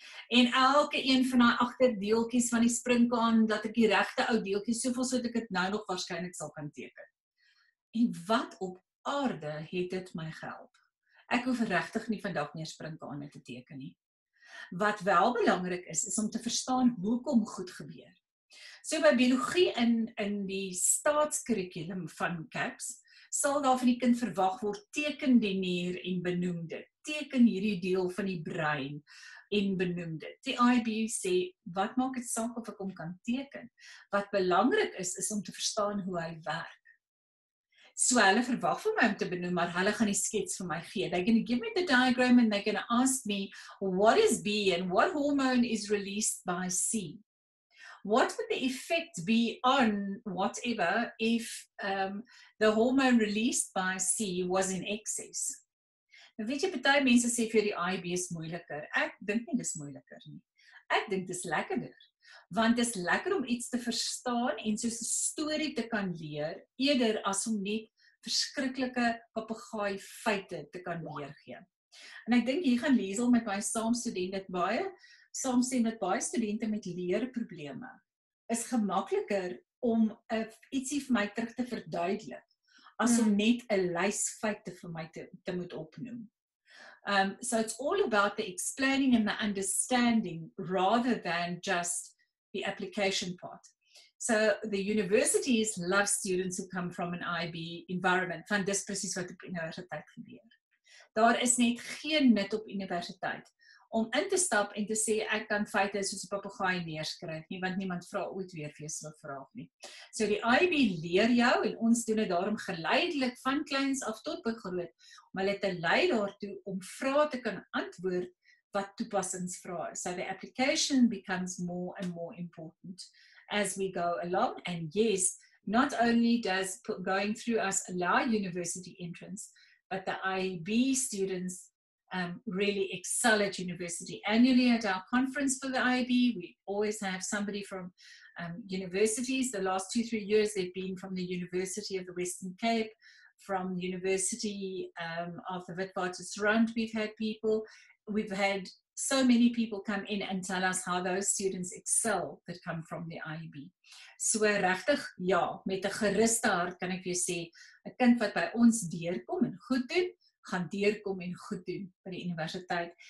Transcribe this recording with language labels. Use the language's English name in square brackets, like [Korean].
[Afrikaans] En elke een van die agterdeeltjies van die springkaan, dat ek die regte ou deeltjies, soveel soos ek dit nou nog waarskynlik sal kan teken. En wat op aarde het dit my gehelp? Ek hoef regtig nie vandag meer springkane te teken nie. Wat wel belangrik is, is om te verstaan hoekom goed gebeur. So by biologie in die staatskurrikulum van CAPS, sal daar van die kind verwag word, teken die nier en benoem dit. Teken hierdie deel van die brein en benoem dit. Die IB sê, wat maak het saak of ek hom kan teken? Wat belangrik is, is om te verstaan hoe hy werk. So hulle verwag van my om te benoem, maar hulle gaan die skets vir my gee. [English] They're going to give me the diagram and they're going to ask me, what is B and what hormone is released by C? What would the effect be on whatever if the hormone released by C was in excess? [Afrikaans] Nou weet jy, baie mense sê vir die IB is moeiliker. Ek dink nie dis moeiliker nie. Ek dink dis lekkerder. Want is lekker om iets te verstaan en soos die story te kan leer, eerder as om nie verskriklike papegaai feite te kan weergee. En ek dink hier gaan Liesel met my saamstem met baie studente met leerprobleme, is gemakkeliker om ietsie vir my terug te verduidelik, as om net 'n lys feite vir my te moet opnoem. [English] So it's all about the explaining and the understanding rather than just the application part. So the universities love students who come from an IB environment. [Afrikaans] Van dis presies wat op universiteit gebeur. Daar is net geen nut op universiteit om in te stap en te sê ek kan feite soos 'n papegaai neerskryf nie, want niemand vra ooit weer vir so 'n vraag nie. So die IB leer jou en ons doen dit daarom geleidelik van kleins af tot groot om hulle te lei daartoe om vrae te kan antwoord wat toepassingsvrae is. [English] So the application becomes more and more important as we go along. And yes, not only does going through us allow university entrance, but the IB students really excel at university. Annually at our conference for the IB, we always have somebody from universities. The last 2-3 years, they've been from the University of the Western Cape, from University of the Witwatersrand, we've had people. We've had so many people come in and tell us how those students excel that come from the IEB. [Afrikaans] So regtig, ja, met 'n geruste hart kan ek jou sê, 'n kind wat by ons deurkom en goed doen, gaan deurkom en goed doen by die universiteit.